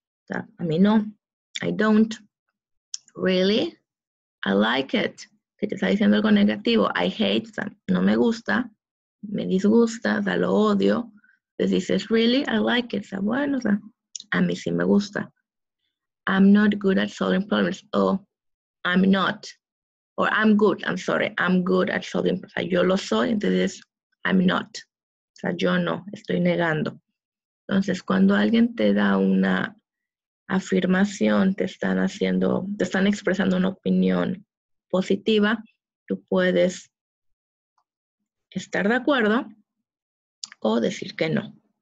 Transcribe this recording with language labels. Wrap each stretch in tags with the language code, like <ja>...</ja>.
<es>A mí no.</es> <en>I don't. Really? I like it.</en> <es>Si te está diciendo algo negativo,</es> <en>I hate them.</en> <es>No me gusta. Me disgusta. O sea, lo odio. Entonces dices,</es> <en>really? I like it.</en> <es>O sea, bueno, o sea, a mí sí me gusta.</es> <en>I'm not good at solving problems. Oh, I'm not. Or I'm good. I'm sorry. I'm good at solving problems.</en> <es>O sea, yo lo soy. Entonces,</es> <en>I'm not.</en> <es>O sea, yo no. Estoy negando. Entonces, cuando alguien te da una afirmación, te están expresando una opinión positiva, tú puedes estar de acuerdo o decir que no.</es>